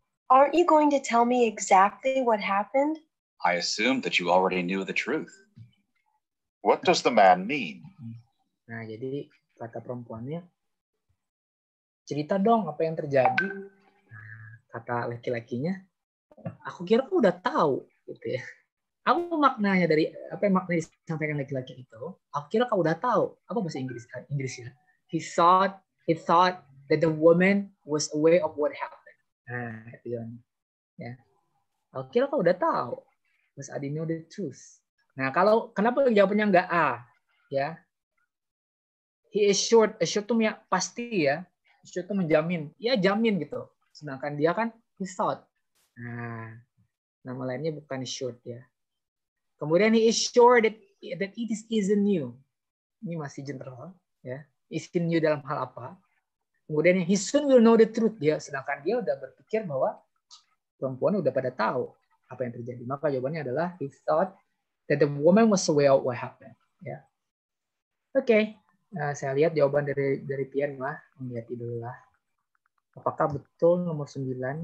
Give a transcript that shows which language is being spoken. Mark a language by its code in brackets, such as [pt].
[en] Aren't you going to tell me exactly what happened? I assumed that you already knew the truth. What does the man mean? [id] Nah, jadi kata perempuannya, cerita dong apa yang terjadi. Kata laki-lakinya, aku kira aku udah tahu gitu ya. Apa maknanya dari apa yang makna disampaikan laki-laki itu? Aku kira kau udah tahu. Apa bahasa Inggris kan? Inggrisnya. [en] He thought that the woman was aware of what happened. [id] Nah, itu kan. Ya. Aku kira kau udah tahu. [en] Was I didn't know the truth. [id] Nah, kalau kenapa jawabannya enggak A? Ya. He assured, assured itu ya, pasti ya. Assured itu menjamin. Ya, jamin gitu. Sedangkan dia kan he thought. Nah, nama lainnya bukan short ya. [en] Kemudian he is sure that it isn't new. Ini masih general ya. Isn't new dalam hal apa? Kemudian he soon will know the truth dia. [id] Sedangkan dia udah berpikir bahwa perempuan udah pada tahu apa yang terjadi. [en] Maka jawabannya adalah he thought that the woman was aware of what happened. Ya. Oke, okay. [id] Nah, saya lihat jawaban dari Pian lah. Lihat dulu lah. Apakah betul nomor 9?